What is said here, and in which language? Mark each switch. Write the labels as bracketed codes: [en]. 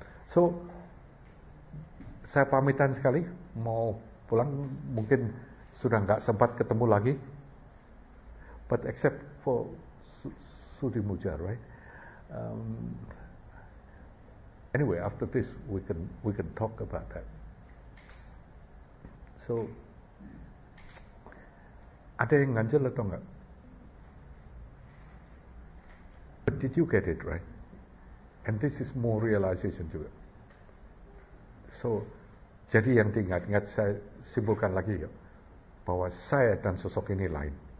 [id] So saya pamitan sekali, mau pulang, mungkin sudah enggak sempat ketemu lagi. [en] But except for Sudhi Mujar, right? Anyway, after this we can talk about that. [id] So ada yang ganjel atau enggak? [en] But did you get it right? And this is more realization juga. [id] So, jadi yang diingat-ingat saya simpulkan lagi ya, bahwa saya dan sosok ini lain.